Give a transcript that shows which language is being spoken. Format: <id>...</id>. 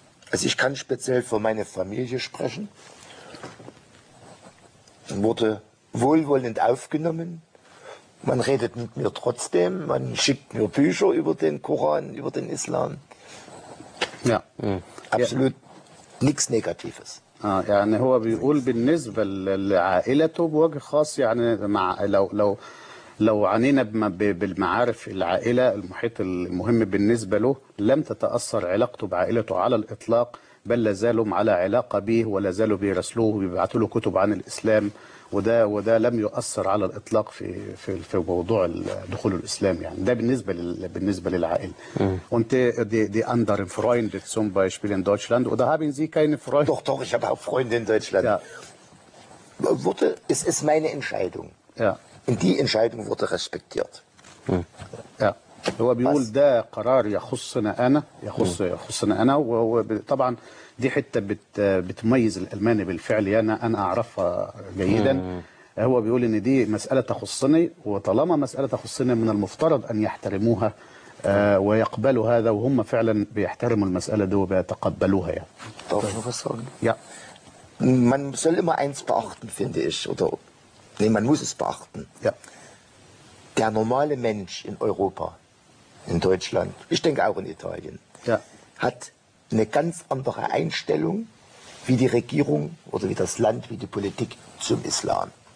<de>Also ich kann speziell für meine Familie sprechen. Wurde wohlwollend aufgenommen. Man redet mit mir trotzdem, man schickt mir Bücher über den Koran, über den Islam. Ja. Absolut ja. Nichts Negatives.</de> <ar>يعني هو بيقول بالنسبة لعائلته بوجه خاص، يعني مع لو عانينا بالمعارف العائلة المحيط المهم بالنسبة له، لم تتأثر علاقته بعائلته على الإطلاق، بل لازالهم على علاقة به ولازالوا بيرسلوه وبيبعتوا له كتب عن الإسلام، وده لم يؤثر على الإطلاق في موضوع دخول الإسلام. يعني ده بالنسبة للعائلة. وانت دي أندر فرويند زوم بايشبيل ان دويتشلاند</ar> <de>oder haben Sie keine Freunde? Doch, doch, ich habe auch Freunde in Deutschland. Ja. Wurde, es ist meine Entscheidung. Ja. Und die Entscheidung wurde respektiert. Ja.</de> <ar>هو بيقول ده قرار يخصنا أنا، وطبعا دي حتة بتميز الألماني بالفعل، يعني أنا أعرفها جيدا. هو بيقول إن دي مسألة تخصني، وطالما مسألة تخصني من المفترض أن يحترموها ويقبلوا هذا، وهم فعلا بيحترموا المسألة دي وبيتقبلوها. يعني</ar> <de>man soll immer eins beachten finde ich oder nee man muss es beachten der normale Mensch in Europa in Deutschland, ich denke auch in Italien, ja. hat eine ganz andere Einstellung wie die Regierung oder wie das Land, wie die Politik zum Islam.</de>